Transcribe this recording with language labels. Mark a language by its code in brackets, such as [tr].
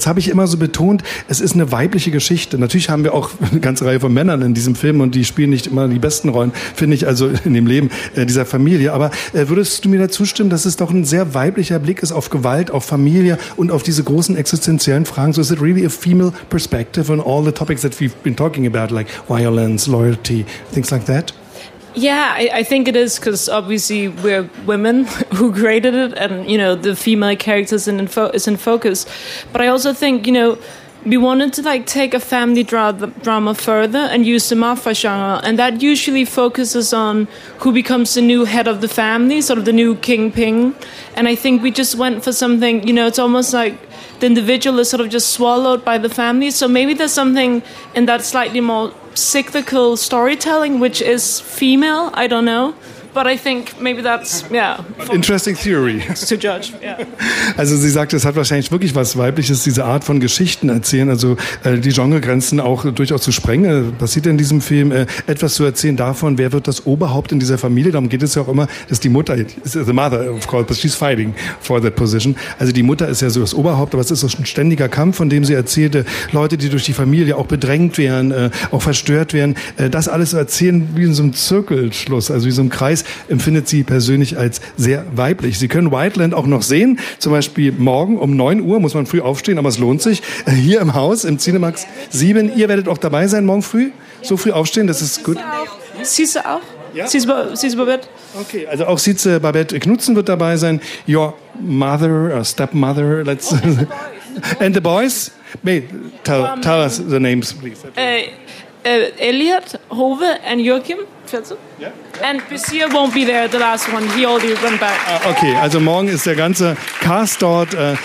[de] Jetzt habe ich immer so betont, es ist eine weibliche Geschichte. Natürlich haben wir auch eine ganze Reihe von Männern in diesem Film, und die spielen nicht immer die besten Rollen, finde ich, also in dem Leben dieser Familie. Aber würdest du mir dazu stimmen, dass es doch ein sehr weiblicher Blick ist auf Gewalt, auf Familie und auf diese großen existenziellen Fragen? [en] So is it really a female perspective on all the topics that we've been talking about, like violence, loyalty, things like that? Yeah, I think it is, because obviously we're women who created it, and, you know, the female characters is in focus. But I also think, you know, we wanted to like take a family drama further and use the mafia genre, and that usually focuses on who becomes the new head of the family, sort of the new kingpin. And I think we just went for something, you know, it's almost like the individual is sort of just swallowed by the family. So maybe there's something in that slightly more cyclical storytelling which is female, I don't know. But I think maybe that's, yeah. Interesting theory. To judge, yeah. [de] Also sie sagt, es hat wahrscheinlich wirklich was Weibliches, diese Art von Geschichten erzählen, also die Genregrenzen auch durchaus zu sprengen. Passiert in diesem Film etwas zu erzählen davon, wer wird das Oberhaupt in dieser Familie? Darum geht es ja auch immer, dass die Mutter, [en] the mother of course, but she's fighting for that position. [de] Also die Mutter ist ja so das Oberhaupt, aber es ist so ein ständiger Kampf, von dem sie erzählte, Leute, die durch die Familie auch bedrängt werden, auch verstört werden. Das alles zu erzählen wie in so einem Zirkelschluss, also wie in so einem Kreis, empfindet sie persönlich als sehr weiblich. Sie können Wildland auch noch sehen, zum Beispiel morgen um 9 Uhr, muss man früh aufstehen, aber es lohnt sich, hier im Haus, im Cinemax 7. Ihr werdet auch dabei sein morgen früh, so früh aufstehen, das ist gut. Siehst du auch? Ja. Siehst du Babette? Okay, also auch Sieze Babette Knutzen wird dabei sein. [en] Your mother, or stepmother, let's... Oh, and the boys? May, tell us the names, please. Elliot, Hove, and Joachim. And Basir won't be there, the last one. He already went back. [de] Okay, also morgen ist der ganze Cast dort.